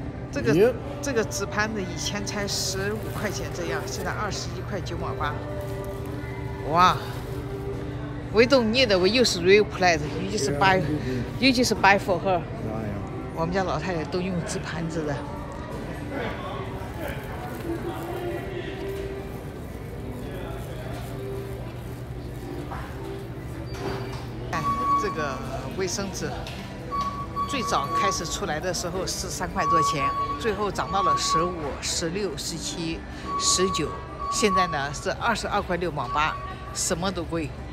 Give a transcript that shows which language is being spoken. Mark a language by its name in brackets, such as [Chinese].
[Chinese] 这个自拍的以前才15块钱这样，现在21.98。 [English] Wow. We don't need it. We use real plate. You just buy, you just buy for her. [Chinese] 我们家老太太都用纸盘子的。看这个卫生纸，最早开始出来的时候是3块多钱，最后涨到了15、16、17、19，现在呢是22.68，什么都贵。